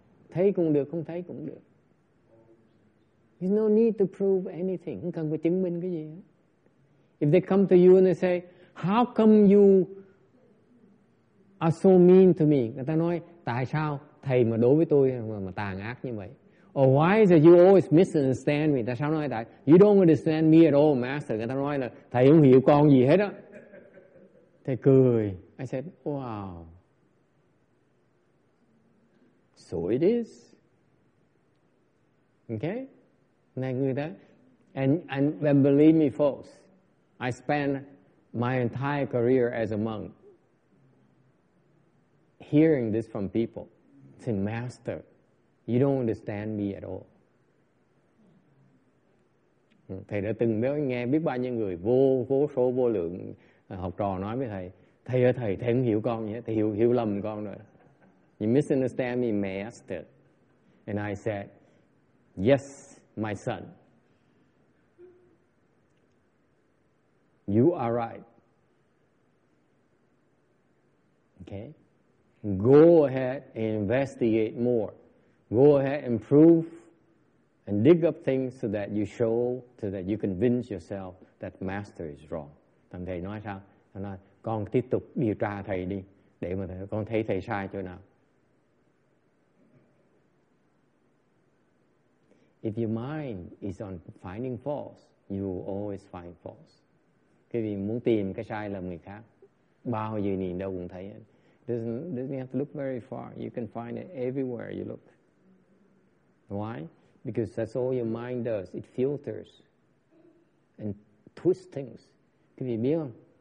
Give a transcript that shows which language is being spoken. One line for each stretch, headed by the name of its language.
Vietnamese: Thấy cũng được, không thấy cũng được.
English: There's no need to prove anything.
Vietnamese: Không cần phải chứng minh cái gì.
English: If they come to you and they say, how come you are so mean to me?
Vietnamese: Người ta nói, tại sao thầy mà đối với tôi mà tàn ác như vậy?
English: Or why is it you always misunderstand me?
Vietnamese: Tại sao nói tại?
English: You don't understand me at all, master.
Vietnamese: Người ta nói là thầy không hiểu con gì hết á. Thầy cười.
English: I said, wow. So it is.
Vietnamese: Okay? Này người ta.
English: And believe me, folks, I spent my entire career as a monk hearing this from people. Say, master, you don't understand me at all.
Vietnamese: Thầy đã từng nghe biết bao nhiêu người vô số vô lượng học trò nói với thầy, thầy ơi thầy không hiểu con nhé, thầy hiểu lầm con rồi.
English: You misunderstand me, master. And I said, yes, my son. You are right. Okay? Go ahead and investigate more. Go ahead and prove and dig up things so that you show, so that you convince yourself that master is wrong.
Vietnamese: Thằng thầy nói sao? Thằng nói, con tiếp tục điều tra thầy đi, để mà thầy, con thấy thầy sai chỗ nào.
English: If your mind is on finding faults, you will always find faults.
Vietnamese: Cái vì muốn tìm cái sai lầm người khác, bao giờ nhìn đâu cũng thấy.
English: Doesn't have to look very far. You can find it everywhere you look. Why? Because that's all your mind does. It filters and twists things.
Vietnamese: Quý vị biết không?